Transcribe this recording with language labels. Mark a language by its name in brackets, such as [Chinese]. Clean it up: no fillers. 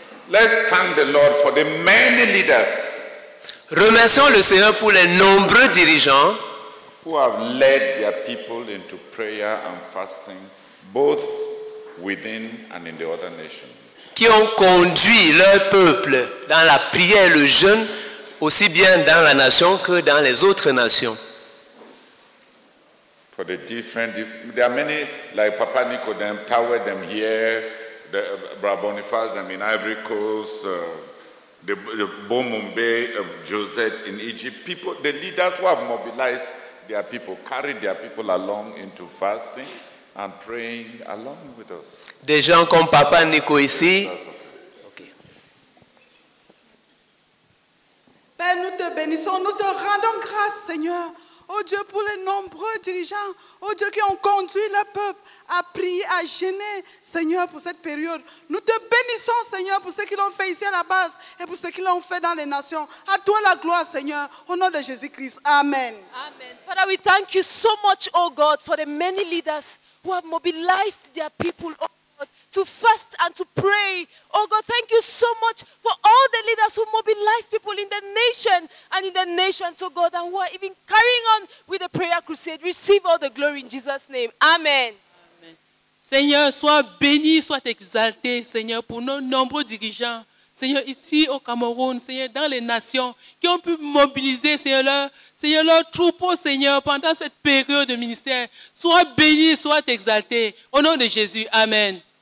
[English] Let's thank the Lord for the many leaders. [French] Remercions le Seigneur pour les nombreux dirigeants. [English] Who have led their people into prayer and fasting, both within and in the other nations. [French] Qui ont conduit leur peuple dans la prière et le jeûne, aussi bien dans la nation que dans les autres nations. [English] For the different, there are many, like Papa Nicodem, Tawe them here, Brother Boniface them in Ivory Coast, the Bomumbe, Josette in Egypt. People, the leaders who have mobilized. Their people carried their people along into fasting and praying along with us. [French] Des gens comme Papa Nico ici. Père, nous te bénissons, nous te rendons grâce, Seigneur. Oh Dieu, pour les nombreux dirigeants, oh Dieu, qui ont conduit le peuple à prier, à jeûner, Seigneur, pour cette période. Nous te bénissons, Seigneur, pour ce qu'ils ont fait ici à la base et pour ce qu'ils ont fait dans les nations. À toi la gloire, Seigneur, au nom de Jésus-Christ. Amen. Amen. [English] Father, we thank you so much, oh God, for the many leaders who have mobilized their people, oh God, to fast and to pray. Oh God, thank you so much for all the leaders who mobilized people in the nation and in the nations, oh God, and who are even carrying on with the prayer crusade. Receive all the glory in Jesus' name. Amen. Amen. [French] Seigneur, sois béni, sois exalté, Seigneur, pour nos nombreux dirigeants, Seigneur, ici au Cameroun, Seigneur, dans les nations, qui ont pu mobiliser, Seigneur, leur troupeau, Seigneur, pendant cette période de ministère. Sois béni, sois exalté. Au nom de Jésus, amen.